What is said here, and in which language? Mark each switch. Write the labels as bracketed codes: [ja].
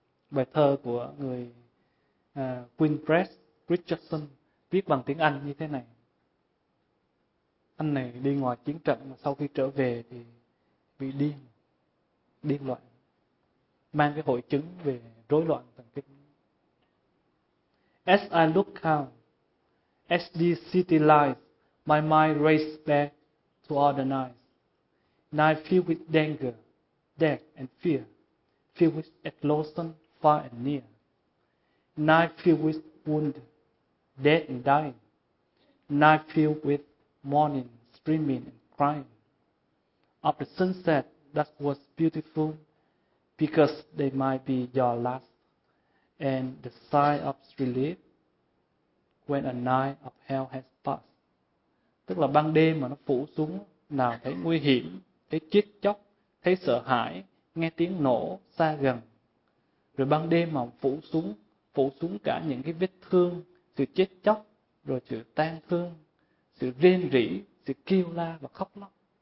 [vi] Bài thơ của người Queen Press Richardson, viết bằng tiếng Anh như thế này. Anh này đi ngoài chiến trận, sau khi trở về thì bị điên, điên loạn, mang cái hội chứng về rối loạn thần kinh. [en] As I look out, as the city lies, my mind races back to all the nights. Night filled with danger, death and fear, filled with exhaustion far and near. Night filled with wound, dead and dying. Night filled with mourning, screaming and crying. Of the sunset that was beautiful, because they might be your last, and the sigh of relief when a night of hell has passed. [vi] Tức là ban đêm mà nó phủ xuống, nào thấy nguy hiểm, thấy chết chóc, thấy sợ hãi, nghe tiếng nổ xa gần. Rồi ban đêm mà phủ xuống cả những cái vết thương, sự chết chóc, rồi sự tang thương, sự rên rỉ, sự kêu la và khóc lóc.